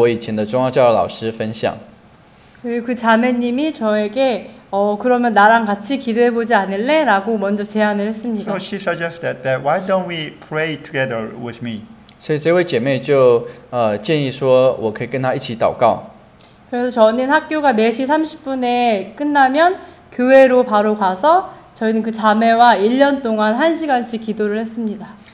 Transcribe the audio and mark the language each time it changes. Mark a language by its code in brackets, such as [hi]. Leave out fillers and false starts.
[zh] 那有时候我会不知道为什么的就开始流眼泪，所以我就把我的这些事情就跟一个年纪比较大的姐妹，也是我以前的宗教教老师分享。 [ko] 그리고 그 자매님이 저에게 그러면 나랑 같이 기도해 보지 않을래? 라고 먼저 제안을 했습니다. [en] So she suggested that why don't we pray together with me? [zh] 所以这位姐妹就建议说我可以跟她一起祷告。 [ko] 그래서 저는 학교가 4시 30분에 끝나면 교회로 바로 가서 저희는 그 자매와 1년 동안 1시간씩 기도를 했습니다.